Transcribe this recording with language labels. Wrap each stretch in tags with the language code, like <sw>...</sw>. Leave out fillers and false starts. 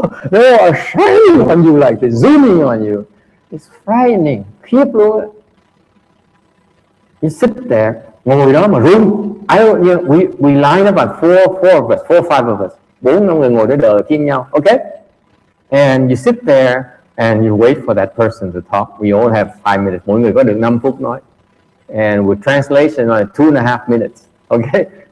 <en>They are shining on you like this, zooming on you. It's frightening. Keep going. You sit there,</en> <vi>ngồi đó mà run.</vi> <en>I don't, you know, we line up at four or five of us.</en> <vi>4-5 người ngồi để đợi kiếm nhau, okay?</vi> <en>And you sit there and you wait for that person to talk. We all have 5 minutes.</en> <vi>Mỗi người có được 5 phút nói.</vi> <en>And with translation, like 2.5 minutes, okay?</en>